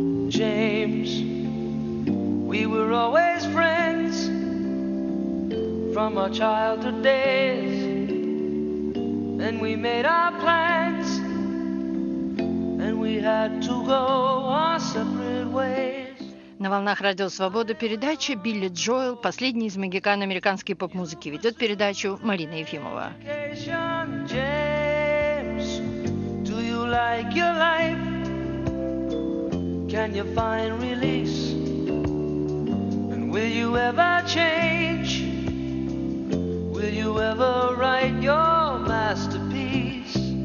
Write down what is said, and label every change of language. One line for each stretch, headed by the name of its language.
English: James, we were always friends from our childhood days. Then we made our plans and we had to go our separate ways.
Russian: На волнах Радио Свобода передача «Билли Джоэл. Последний из магикан американской поп-музыки». Ведет передачу Марина Ефимова.
English: James, do you like your life? Can you find release? And will you ever change? Will you ever write your masterpiece?